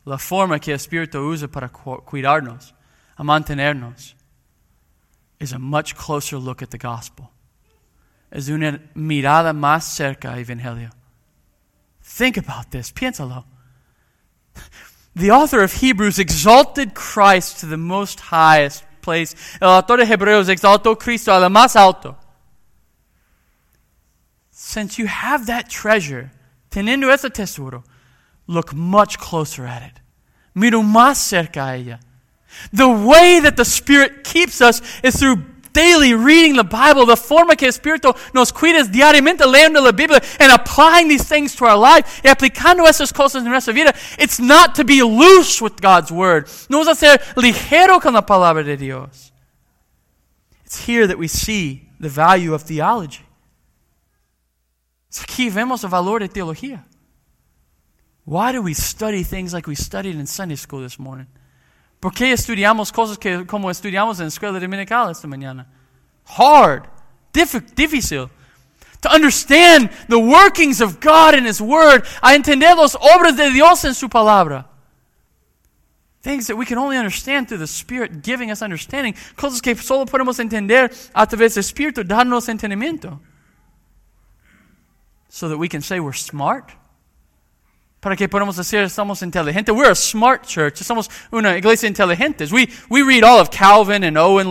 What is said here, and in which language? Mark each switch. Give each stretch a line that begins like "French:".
Spanish: La forma que el Espíritu usa para cuidarnos, a mantenernos,
English: is a much closer look at the gospel.
Spanish: Es una mirada más cerca al Evangelio.
English: Think about this.
Spanish: Piénsalo.
English: The author of Hebrews exalted Christ to the most highest place.
Spanish: El autor de Hebreos exaltó Cristo a lo más alto.
English: Since you have that treasure,
Spanish: teniendo ese tesoro,
English: look much closer at it.
Spanish: Miro más cerca a ella.
English: The way that the Spirit keeps us is through daily reading the Bible.
Spanish: The forma que el Espíritu nos cuida es diariamente leyendo la Biblia
English: and applying these things to our life
Spanish: y aplicando esas cosas en nuestra vida.
English: It's not to be loose with God's Word.
Spanish: No es a ser ligero con la palabra de Dios.
English: It's here that we see the value of theology.
Spanish: Aquí vemos el valor de teología.
English: Why do we study things like we studied in Sunday school this morning?
Spanish: ¿Por qué estudiamos cosas que como estudiamos en la escuela dominical esta mañana?
English: Hard.
Spanish: Difícil.
English: To understand the workings of God in His Word.
Spanish: A entender las obras de Dios en su palabra.
English: Things that we can only understand through the Spirit giving us understanding.
Spanish: Cosas que solo podemos entender a través del Espíritu dándonos entendimiento.
English: So that we can say we're smart.
Spanish: Para que podamos decir somos inteligentes.
English: We're a smart church.
Spanish: Somos una iglesia inteligente.
English: We read all of Calvin and Owen.